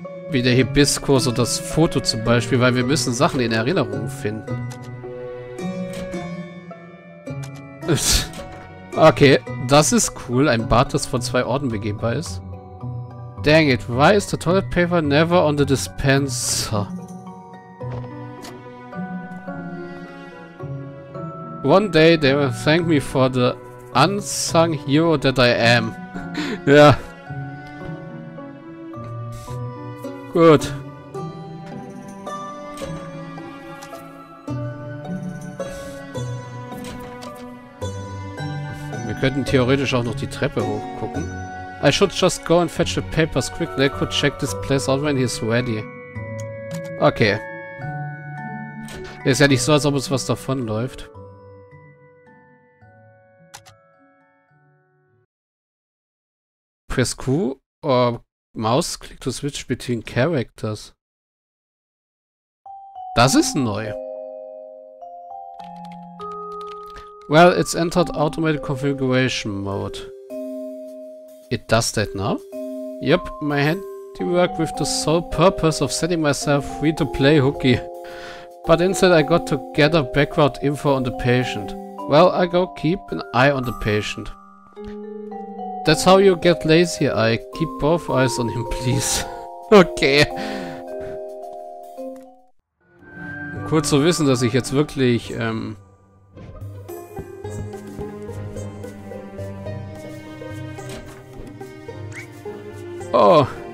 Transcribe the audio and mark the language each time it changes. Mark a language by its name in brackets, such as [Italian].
[German] Wie der Hibiskus und das Foto zum Beispiel, weil wir müssen Sachen in Erinnerung finden. Okay, das ist cool. Ein Bad, das von zwei Orten begehbar ist. [English] Dang it, why is the toilet paper never on the dispenser? One day they will thank me for the unsung hero that I am. [German] Ja. Gut. Wir könnten theoretisch auch noch die Treppe hochgucken. [English] I should just go and fetch the papers quickly. I could check this place out when he's ready. Okay. [German] Ist ja nicht so, als ob uns was davonläuft. [English] Press Q or Mouse click to switch between characters. [German] Das ist neu. [English] Well, it's entered automated configuration mode. It does that now? Yep, my handiwork with the sole purpose of setting myself free to play hooky. But instead I got to gather background info on the patient. Well, I go keep an eye on the patient. That's how you get lazy, I keep both eyes on him, please. Okay. Q [German] Kurz zu wissen, dass ich jetzt wirklich, Oh.